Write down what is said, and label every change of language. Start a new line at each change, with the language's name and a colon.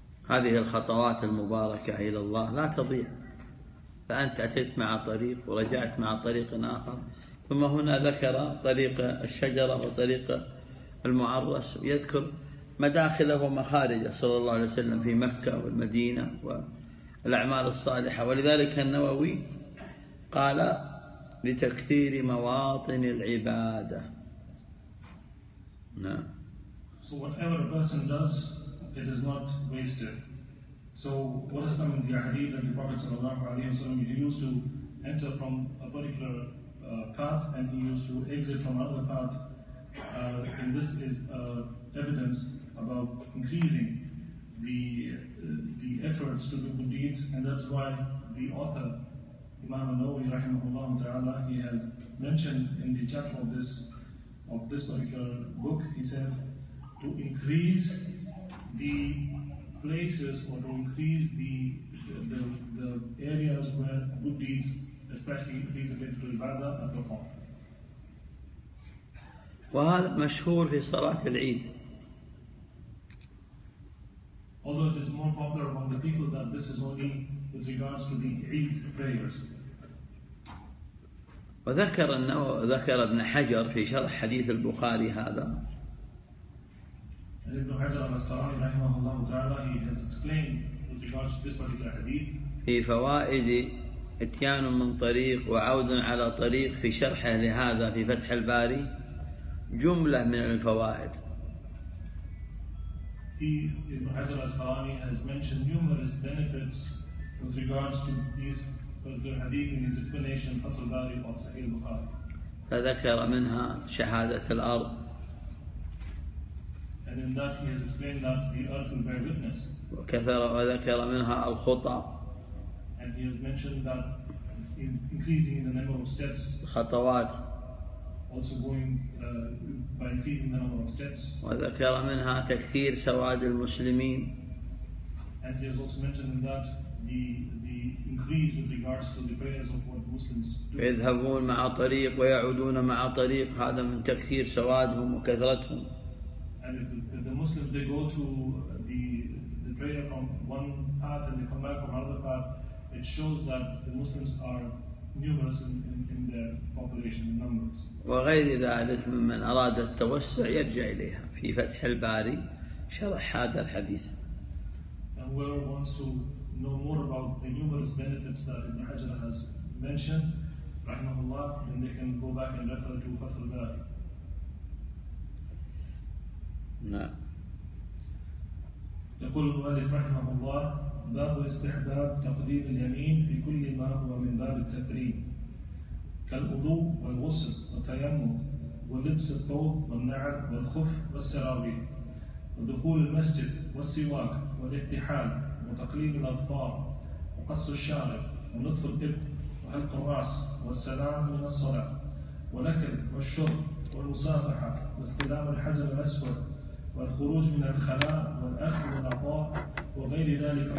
Arabic: هذه الخطوات المباركة إلى الله لا تضيع. فأنت أتيت مع طريق ورجعت مع طريق آخر، ثم هنا ذكر طريق الشجرة وطريق المعرس، يذكر مداخله ومخارجه صلى الله عليه وسلم في مكة والمدينة والأعمال الصالحة. ولذلك النووي قال لتكثير مواطن العبادة. نعم.
English: So whatever a person does, it is not wasted. So what is coming in the hadith and the Prophet sallallahu alayhi wa sallam, he used to enter from a particular path and he used to exit from another path. And this is evidence about increasing the efforts to do good deeds. And that's why the author, Imam An-Nawawi rahimahullah ta'ala, he has mentioned in the chapter of this particular book, he said, to increase the places or to increase the areas where good deeds, especially deeds of ibadah, are performed.
Arabic: وهذا مشهور في صلاة العيد.
English: Although it is more popular among the people that this is only with regards to the Eid prayers.
Arabic: وذكر ذكر ابن حجر في شرح حديث البخاري هذا.
English: And Ibn Hajar al-Asqalani rahimahullah ta'ala, he has explained with regards to this particular hadith.
Arabic: في فوائد اتيان من طريق وعود على طريق في شرحه لهذا في فتح الباري جملة من الفوائد.
English: Ibn Hajar al-Asqalani has mentioned numerous benefits with regards to this particular hadith in his explanation of Fath al-Bari or Sahih al-Bukhari.
Arabic: فذكر منها شهادة الأرض.
English: And in that he has explained that the earth will bear witness.
Arabic: وكثر وذكر منها الخطى.
English: And he has mentioned that in increasing the number of steps.
Arabic: الخطوات.
English: Also going by increasing the number of steps.
Arabic: وذكر منها تكثير سواد المسلمين.
English: And he has also mentioned in that the increase with regards to the prayers of what Muslims do.
Arabic: يذهبون مع طريق ويعودون مع طريق، هذا من تكثير سوادهم وكثرتهم.
English: And if the Muslims, they go to the prayer from one path and they come back from another path, it shows that the Muslims are numerous in their population in numbers.
Arabic: وغير ذلك ممن أراد التوسع يرجع إليها في فتح الباري شرح هذا الحديث.
English: And whoever wants to know more about the numerous benefits that Ibn Hajar has mentioned,
Arabic: رحمه الله,
English: then they can go back and refer to Fath al-Bari.
Arabic: يقول المؤلف رحمه الله باب استحباب تقديم اليمين في كل ما هو من باب التكريم كالوضوء والغسل والتيمم ولبس الثوب والنعل والخف والسراويل ودخول المسجد والسواك والاقتحال وتقليم الأظفار وقص الشارب ونطف الإبط وحلق الرأس والسلام من الصلاة والأكل والشرب والمصافحة واستلام الحجر الأسود والخروج من الخلاء والأخذ والعطاء وغير ذلك.